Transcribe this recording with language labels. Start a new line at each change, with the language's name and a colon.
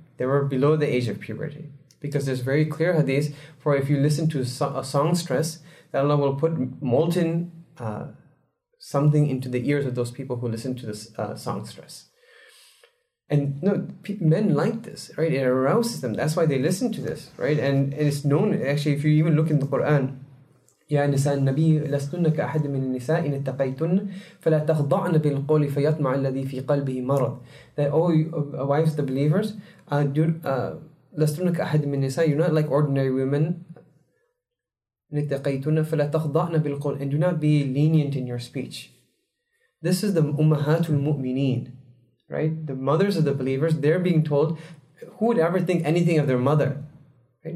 English: They were below the age of puberty. Because there's very clear hadith, for if you listen to a songstress, that Allah will put molten something into the ears of those people who listen to this songstress. And no, men like this, right? It arouses them. That's why they listen to this, right? And it's known, actually, if you even look in the Quran,
Arabic: يا نساء النبي لستن كأحد من النساء إن اتقيتن فلا تخضعن بالقول فيطمع الذي في قلبه مرض.
English: That all wives, the believers,
Arabic: لستن كأحد من النساء,
English: you're not like ordinary women.
Arabic: إن اتقيتن فلا تخضعن بالقول,
English: and do not be lenient in your speech. This is the أمهات المؤمنين, right? The mothers of the believers, they're being told, who would ever think anything of their mother? Right?